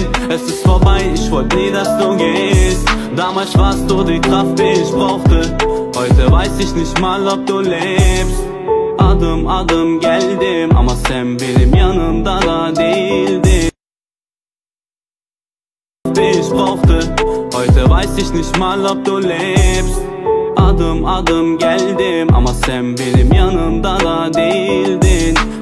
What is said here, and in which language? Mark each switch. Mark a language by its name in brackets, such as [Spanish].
[German] Es ist vorbei, ich wollte nie, dass du gehst. Damals warst du die Kraft, die ich brauchte. Heute weiß ich nicht mal, ob du lebst. [Turkish] Adım adım geldim ama sen benim yanımda da değildin. [German] Die ich brauchte. Heute weiß ich nicht mal, ob du lebst. [Turkish] Adım adım geldim ama sen benim yanımda da değildin.